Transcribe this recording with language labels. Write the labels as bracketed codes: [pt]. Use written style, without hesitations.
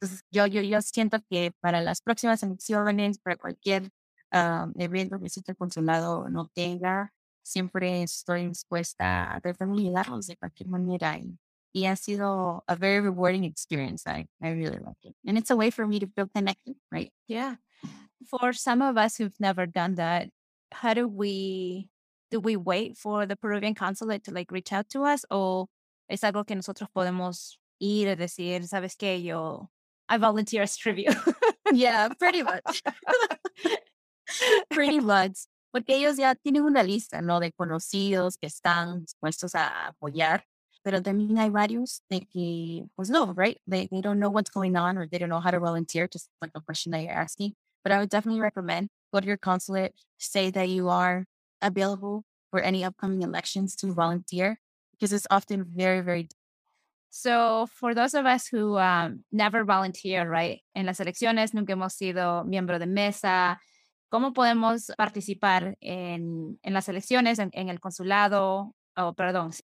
[es] Yo siento que para las próximas elecciones, para cualquier evento que el consulado no tenga, siempre estoy dispuesta a tratar de ayudarlos de cualquier manera. Y ha sido [en] a very rewarding experience. I really love it. And it's a way for me to feel connected, right? Yeah. For some of us who've never done that, how do we wait for the Peruvian consulate to, like, reach out to us? Or [es] es algo que nosotros podemos ir a decir, ¿sabes qué? Yo, [en] I volunteer as tribute. Yeah, pretty much. Pretty much. [es] Porque ellos ya tienen una lista, ¿no?, de conocidos que están dispuestos a apoyar. Pero también hay varios de que, pues no, [en] right? They don't know what's going on, or they don't know how to volunteer, just like a question that you're asking. But I would definitely recommend, go to your consulate, say that you are available for any upcoming elections to volunteer, because it's often very, very difficult. So for those of us who never volunteer, right, [es] en las elecciones, nunca hemos sido miembro de mesa, ¿cómo podemos participar en las elecciones, en el consulado? Oh, perdón.